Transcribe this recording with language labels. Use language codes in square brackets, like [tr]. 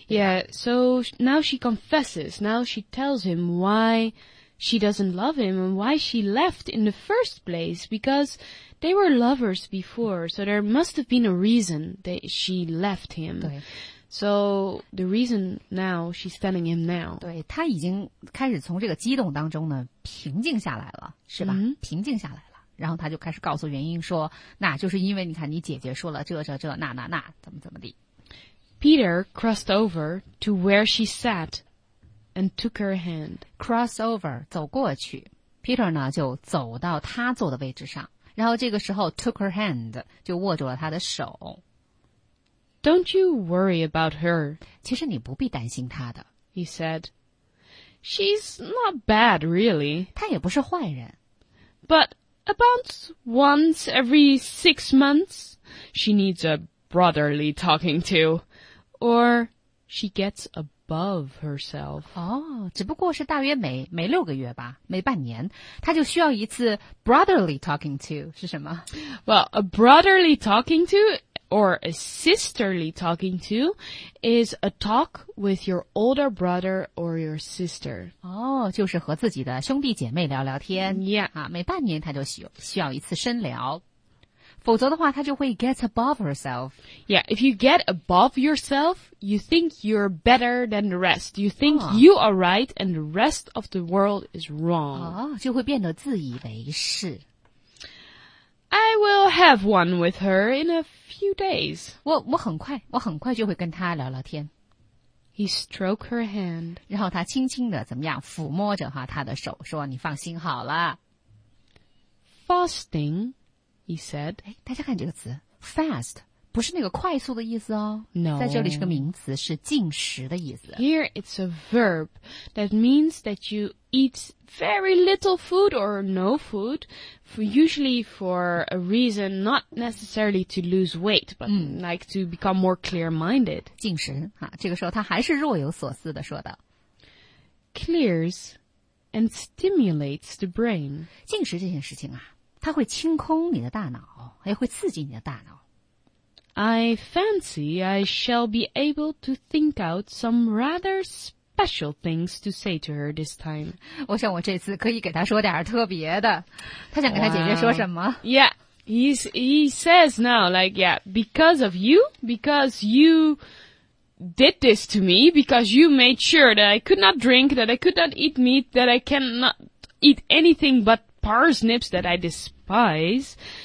[en] Yeah, so now she confesses, now she tells him why she doesn't love him and why she left in the first place, because they were lovers before, so there must have been a reason that she left him. [zh] 对。 [en] So, the reason now, she's telling him now. [zh] 对，他已经开始从这个激动当中呢，平静下来了，是吧？嗯，平静下来了。然后他就开始告诉原因说，那就是因为你看你姐姐说了这那怎么怎么地。 [en] Peter crossed over to where she sat and took her hand. [zh] Cross over, 走过去。Peter 呢，就走到他坐的位置上。然后这个时候 [en] took her hand, [zh] 就握住了他的手。 [en] Don't you worry about her. [zh] 其实你不必担心她的。 [en] He said. She's not bad, really. [zh] 她也不是坏人。 [en] But about once every 6 months, she needs a brotherly talking to. Or she gets above herself. [zh] 哦，只不过是大约每六个月吧，每半年，她就需要一次 [en] brotherly talking to, [zh] 是什么？ [en] Well, a brotherly talking to... Or a sisterly talking to is a talk with your older brother or your sister. [zh] 哦，就是和自己的兄弟姐妹聊聊天。 [en] Yeah. [zh] 啊，每半年他就需要一次深聊。否则的话他就会 [en] get above herself. Yeah, if you get above yourself, you think you're better than the rest. You think you are right and the rest of the world is wrong. [zh] 哦，就会变得自以为是。 [en] I will have one with her in a few days. [zh] 我很快就会跟她聊聊天。 [en] He stroked her hand. [zh] 然后他轻轻的怎么样抚摸着哈她的手说你放心好了。 [en] Fasting, he said. [zh] 大家看这个词 ,fast, 不是那个快速的意思哦。 [en] No. [zh] 在这里是个名词是进食的意思。 [en] Here it's a verb that means that you eat very little food or no food, usually for a reason not necessarily to lose weight, but like to become more clear-minded. [zh] 进食，啊，这个时候他还是若有所思地说道。 [en] Clears and stimulates the brain. [zh] 进食这件事情啊，它会清空你的大脑，也会刺激你的大脑。 I fancy I shall be able to think out some rather special things to say to her this time. 我想我这次可以给她说点特别的。她想跟她姐姐说什么？ [en] Wow. Yeah, he says now, like, yeah, because of you, because you did this to me, because you made sure that I could not drink, that I could not eat meat, that I cannot eat anything but parsnips that I despise...